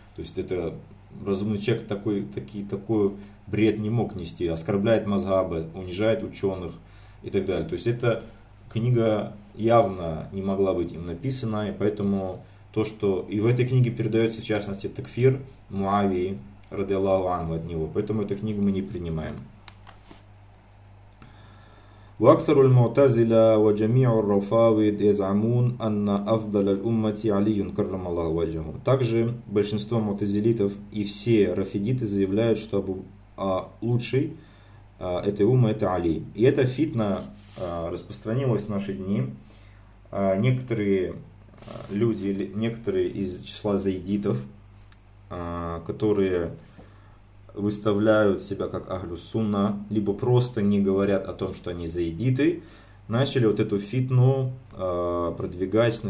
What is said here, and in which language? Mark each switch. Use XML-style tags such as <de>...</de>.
<ru>То есть это разумный человек такой бред не мог нести, оскорбляет мазхабы, унижает ученых и так далее. То есть эта книга явно не могла быть им написана, и поэтому то, что и в этой книге передается, в частности, такфир Муавии, радиаллаху анху, от него. Поэтому эту книгу мы не принимаем.</ru> <ar>وأكثر المعتزلة وجميع الروفاويد يزعمون أن أفضل الأمة علي كرم الله وجهه.</ar> <ru>Также большинство мутазилитов и все рафидиты заявляют, что лучший этой уммы это Али. И эта фитна распространилась в наши дни. Некоторые люди, некоторые из числа заидитов, которые выставляют себя как Ахлю Сунна, либо просто не говорят о том, что они заидиты, начали вот эту фитну продвигать.</ru>